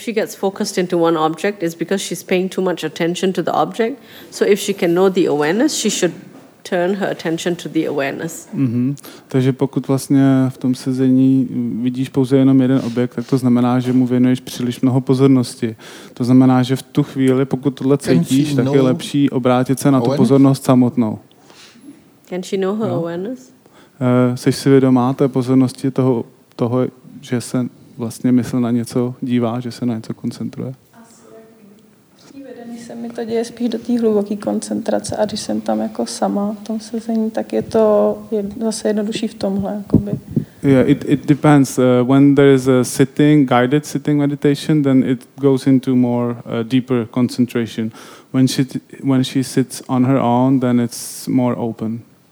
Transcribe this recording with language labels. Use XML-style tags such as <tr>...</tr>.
<en>she gets focused into one object, it's because she's paying too much attention to the object. So if she can know the awareness, she should turn her attention to the awareness. Mm-hmm.</en> <cs>Takže pokud vlastně v tom sezení vidíš pouze jenom jeden objekt, tak to znamená, že mu věnuješ příliš mnoho pozornosti. To znamená, že v tu chvíli, pokud tohle cítíš, tak je lepší obrátit se na tu pozornost samotnou.</cs> <en>Can she know her awareness?</en> <cs>Seš si vědomá té pozornosti toho, že se vlastně mysl na něco dívá, že se na něco koncentruje? Asi tak. Vedení se mi to děje spíš do té hluboké koncentrace a když jsem tam jako sama v tom sezení, tak je to zase jednodušší v tomhle. Jakoby.</cs> <en>Yeah, it depends. When there is a sitting, guided sitting meditation, then it goes into more deeper concentration. When she sits on her own, then it's more open.</en>